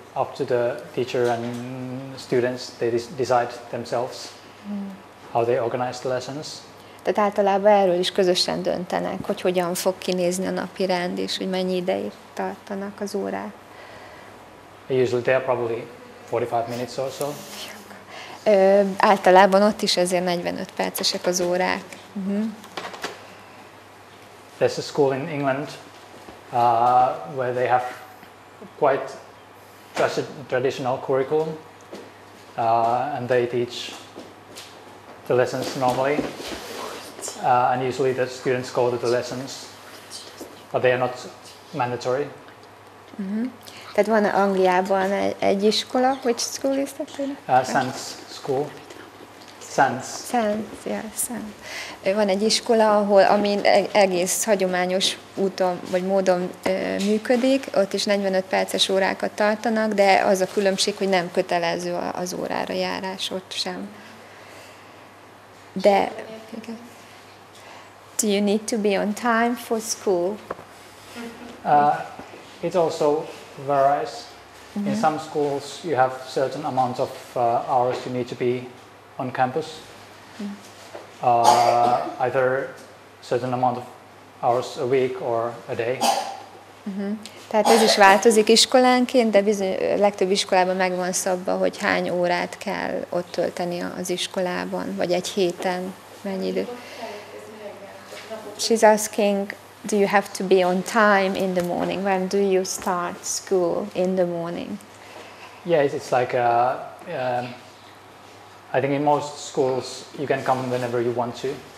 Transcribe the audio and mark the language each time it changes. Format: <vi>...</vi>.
<en>up to the teacher and students. They decide themselves how they organize the lessons.</en> <hu>Tehát általában erről is közösen döntenek, hogy hogyan fog kinézni a napi rend, és hogy mennyi ideig tartanak az órák.</hu> <en>Usually they are probably 45 minutes or so.</en> <hu>Általában ott is ezért 45 percesek az órák.</hu> <en>There's a school in England where they have quite traditional curriculum and they teach the lessons normally. And usually the students go to the lessons, but they are not mandatory.</en> <hu>Tehát van Angliában egy iskola,</hu> <en>which school is that? Sands School. Sands. Sands, yeah, Sands.</en> <hu>Van egy iskola, ahol, ami egész hagyományos úton vagy módon működik, ott is 45 perces órákat tartanak, de az a különbség, hogy nem kötelező az órára járás ott sem. De... Igen.</hu> <en>You need to be on time for school. It also varies. Mm-hmm. In some schools, you have certain amount of hours you need to be on campus. Either certain amount of hours a week or a day.</en> <hu>Tehát ez is változik iskolánként, de bizony legtöbb iskolában meg van szabva, hogy hány órát kell ott tölteni az iskolában, vagy egy héten mennyi idő.</hu> <en>She's asking, do you have to be on time in the morning? When do you start school in the morning? Yeah, it's like, I think in most schools you can come whenever you want to.</en>